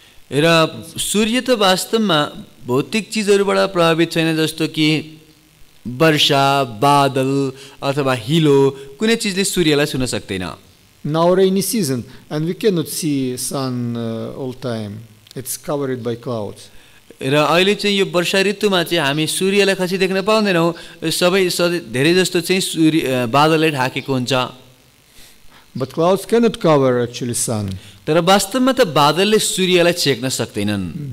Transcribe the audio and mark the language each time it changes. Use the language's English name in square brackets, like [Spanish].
[Nepali] र सूर्य त वास्तवमा भौतिक चिजहरूबाट प्रभावित छैन जस्तो कि वर्षा बादल अथवा हिलो कुनै चिजले सूर्यलाई छुन सक्दैन. [English] Now rainy season and we cannot see sun all time. It's covered by clouds. [Nepali] र अहिले चाहिँ यो वर्षा ऋतुमा चाहिँ हामी सूर्यलाई खासै देख्न पाउँदैनौँ सबै धेरै जस्तो चाहिँ सूर्य बादलले ढाकेको हुन्छ. [English] But clouds cannot cover actually sun. [Nepali] तर वास्तवमा त बादलले सूर्यलाई छेक्न सक्दैनन्.